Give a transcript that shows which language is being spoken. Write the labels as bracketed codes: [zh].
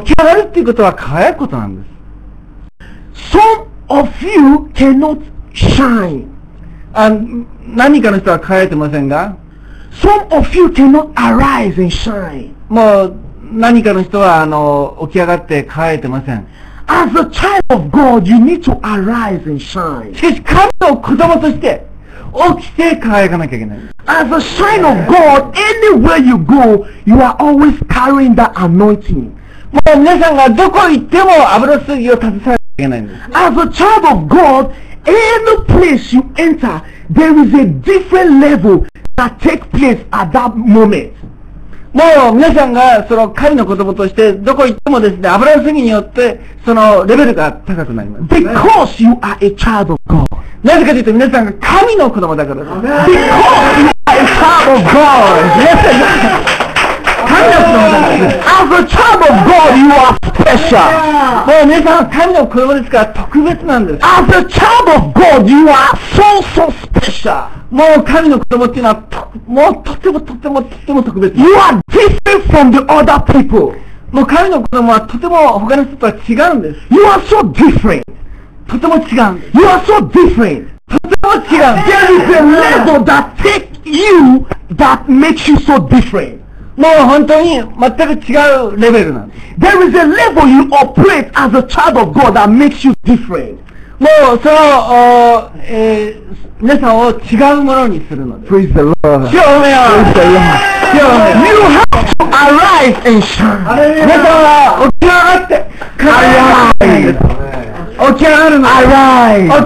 [ja] 起き上がるっていうことは輝くことなんです。 [en] Some of you cannot shine. [ja] 何かの人は輝いてませんが。 [en] Some of you cannot arise and shine. [ja] もう何かの人は起き上がって輝いてません。 [en] As a child of God, you need to arise and shine. [ja] しかし神の子供として起きて輝かなきゃいけない。 [en] As a sign of God, anywhere you go, you are always carrying that anointing. [ja] もう皆さんがどこ行っても油注ぎを携えなきゃいけないんです。 [en] As a child of God, any place you enter, there is a different level that takes place at that moment. [ja] もう皆さんがその神の子供としてどこ行ってもですね、油注ぎによってそのレベルが高くなります。 [en] Because you are a child of God. [ja] なぜかというと皆さんが神の子供だからです。 [en] Because you are a child of God. [ja] 神の子供だからです。 [en] As a child of God, you are special. [ja] もう皆さんは神の子供ですから特別なんです。 [en] As a child of God, you are so, so special. [ja] もう神の子供っていうのはもうとてもとてもとても特別。 [en] You are different from the other people. [ja] もう神の子供はとても他の人とは違うんです。 [en] You are so different. [ja] とても違う。 [en] You are so different. [ja] とても違う。 [en] There is a level that takes you that makes you so different. [ja] もう本当に全く違うレベルなんです。 [en] There is a level you operate as a child of God that makes you different. [ja] もうその、皆さんを違うものにするので。 [en] Praise the Lord. [ja] 主を褒めよう。 [en] Praise the Lord. [ja] 主を褒めよう。 [en] You have to arise and shine. [ja] 皆さんは起き上がって輝いて。起き上がるの。 [en] Arise.